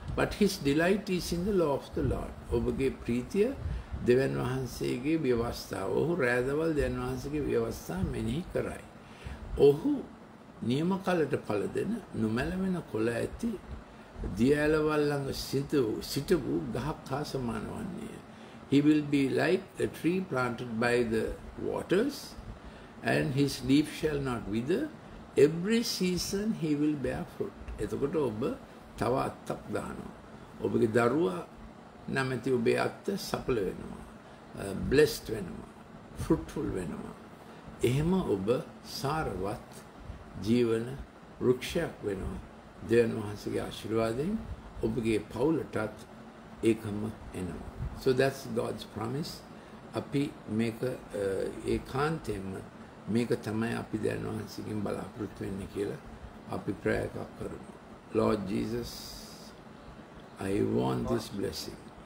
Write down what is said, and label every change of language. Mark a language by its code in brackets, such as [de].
[en] But his delight is in the law of the Lord. [si] ඔබගේ ප්‍රීතිය දෙවන් වහන්සේගේ ව්‍යවස්ථාව. ඔහු රෑදවල් දෙවන් වහන්සේගේ ව්‍යවස්ථාව මෙනෙහි කරයි. ඔහු නියම කලට පල දෙන, නොමැලවෙන කොළ ඇති දියඇලවල් ළඟ සිටවූ ගහක් හා සමානවන්නේය. [en] He will be like a tree planted by the waters, and his leaf shall not wither. Every season he will bear fruit. [si] එතකොට ඔබ තව අත්තක් දානවා. ඔබගේ දරුවා නැමැති ඔබේ අත්ත සපල වෙනවා, බ්ලෙස්ඩ් වෙනවා, ෆෘට්ෆුල් වෙනවා. එහෙම ඔබ සාරවත් ජීවන වෘක්ෂයක් වෙනවා. දෙවන් වහන්සේගේ ආශිර්වාදයෙන් ඔබගේ පවුලටත් ඒකම එනවා. [en] So that's God's promise. [si] අපි මේක ඒ කාන්තයෙන්ම මේක තමයි අපි දෙවන් වහන්සේගෙන් බලාපොරොත්තු වෙන්නේ කියලා අපි ප්‍රාර්ථනා කරමු. [en] Lord Jesus, I want this blessing.